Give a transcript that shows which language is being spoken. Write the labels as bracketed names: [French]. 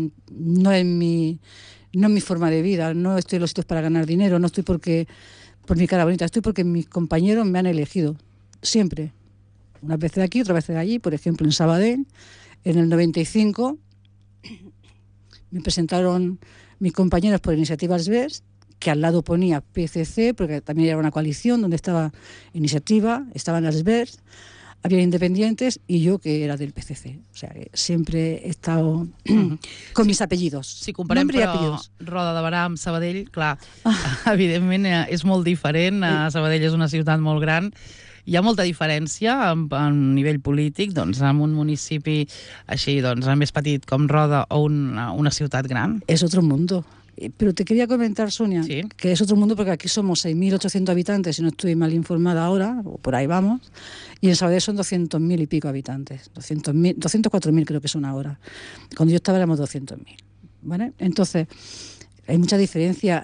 [Spanish] No es mi forma de vida, no estoy en los sitios para ganar dinero, no estoy por mi cara bonita, estoy porque mis compañeros me han elegido, siempre, una vez de aquí, otra vez de allí, por ejemplo en Sabadell, en el 95 me presentaron mis compañeros por iniciativas Verdes, que al lado ponía PCC, porque también era una coalición donde estaba Iniciativa, estaban las BERS, había independientes y yo que era del PCC. O sea, que siempre he estado con sí, mis apellidos. [Catalan] Si comparem, nombre però, apellidos. Roda de Barà amb Sabadell, clar, evidentment és molt diferent. Sabadell és una ciutat molt gran. Hi ha molta diferència a nivell polític, doncs, amb un municipi així, doncs, més petit com Roda o una ciutat gran? [Spanish] És otro mundo. Pero te quería comentar, Sonia, sí, que es otro mundo porque aquí somos 6.800 habitantes, si no estoy mal informada ahora, o por ahí vamos, y en Sabadell son 200.000 y pico habitantes, 204.000 creo que son ahora. Cuando yo estaba éramos 200.000, ¿vale? Entonces, hay mucha diferencia.